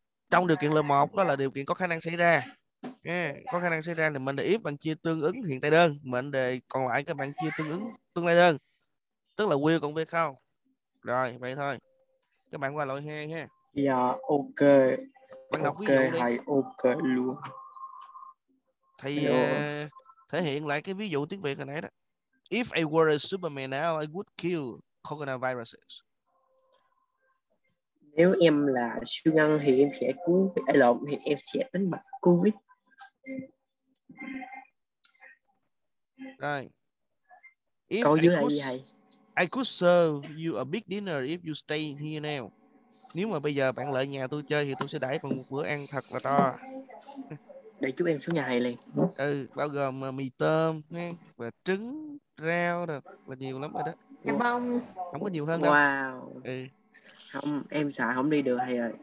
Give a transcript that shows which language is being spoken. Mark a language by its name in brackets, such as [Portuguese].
[Vietnamese] Trong điều kiện loại 1 đó là điều kiện có khả năng xảy ra. Có khả năng xảy ra thì mệnh đề if bạn chia tương ứng hiện tại đơn, mệnh đề còn lại các bạn chia tương ứng tương lai đơn. Tức là will cộng với không. Rồi, vậy thôi. Các bạn qua loại 2 ha. Dạ, ok. Bạn đọc ok, hay ok luôn. Thì thể hiện lại cái ví dụ tiếng Việt hồi nãy đó. [English] If I were a Superman now, I would kill coronaviruses. [Vietnamese] Nếu em là siêu nhân thì em sẽ cứu, lộn thì em sẽ đánh bại COVID. [English] Right. [Vietnamese] Câu dưới là gì thầy? [English] I could serve you a big dinner if you stay here now. [Vietnamese] Nếu mà bây giờ bạn lại nhà tôi chơi thì tôi sẽ đãi bằng một bữa ăn thật là to. Để chúc em xuống nhà thầy liền. Ừ, bao gồm mì tôm nha, và trứng, rau rồi, và nhiều lắm rồi đó. Cà bông. Không có nhiều hơn [English] wow. [Vietnamese] đâu. [English] Wow. [Vietnamese] Ừ. Không, em sợ không đi được thầy ơi.